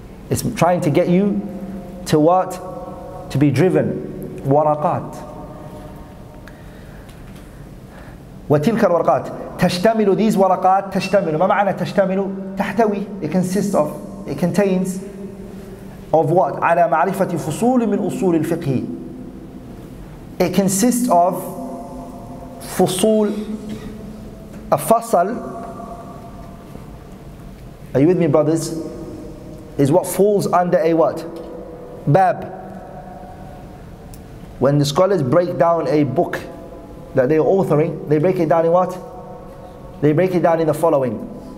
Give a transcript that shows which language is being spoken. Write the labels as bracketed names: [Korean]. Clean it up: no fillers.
[English] It's trying to get you to what? To be driven. Waraqat. [Arabic] وَتِلْكَ الْوَرَقَاتِ تَشْتَمِلُ [English] These waraqat [Arabic] تَشْتَمِلُ مَا مَعَنَا تَشْتَمِلُ تَحْتَوِي [English] It consists of, it contains of what? [Arabic] عَلَى مَعْرِفَةِ فُصُولٍ مِنْ أُصُولِ الْفِقْهِ [English] It consists of [Arabic] فُصُول [English] A fasal. Are you with me, brothers? Is what falls under a what? Bab. When the scholars break down a book that they are authoring, they break it down in what? They break it down in the following.